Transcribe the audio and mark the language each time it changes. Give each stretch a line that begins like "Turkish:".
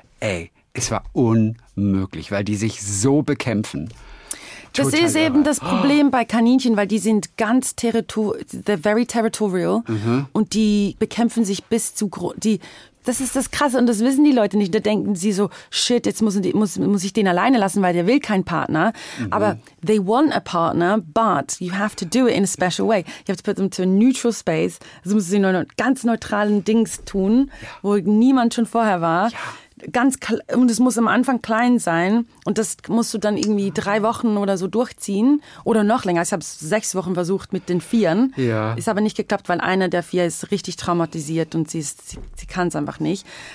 German: Ey, es war unmöglich, weil die sich so bekämpfen. Das Total ist irre. Eben das Problem bei Kaninchen, weil die sind ganz
English: very territorial
German: und die bekämpfen sich bis zu das ist das Krasse und das wissen die Leute nicht. Da denken sie so,
English: shit,
German: jetzt muss ich den alleine lassen, weil der will keinen Partner. Mhm. Aber
English: they want a partner, but you have to do it in a special way. You have to put them to a neutral space.
German: Also musst du sie in einem ganz neutralen Dings tun, wo niemand schon vorher war. Ja. Ganz und es muss am Anfang klein sein und das musst du dann irgendwie 3 Wochen oder so durchziehen oder noch länger. Ich habe es 6 Wochen versucht mit den 4. Ja. Ist aber nicht geklappt, weil einer der 4 ist richtig traumatisiert und sie kann es einfach nicht.